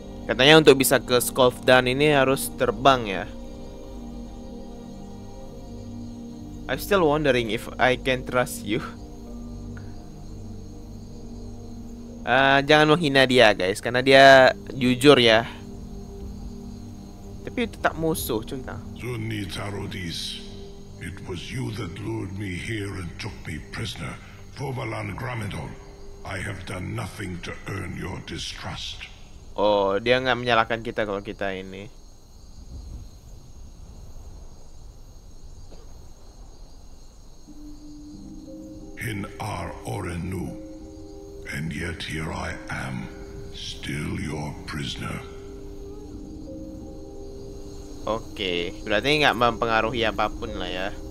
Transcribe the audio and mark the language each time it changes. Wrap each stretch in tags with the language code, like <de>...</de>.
<id>Katanya untuk bisa ke Skaldafin ini harus terbang ya.</id> <en>I'm still wondering if I can trust you.</en> <id>Jangan menghina dia guys, karena dia jujur ya. Tapi tetap musuh cuma. Zuni Tarodis.</id> <en>It was you that lured me here and took me prisoner, Formalan Gramidol. I have done nothing to earn your distrust.</en> <id>Oh, dia nggak menyalahkan kita kalau kita ini.</id> <en>In our Orenu, and yet here I am, still your prisoner. Oke, okay.</en> <id>Berarti nggak mempengaruhi apapun lah ya.</id>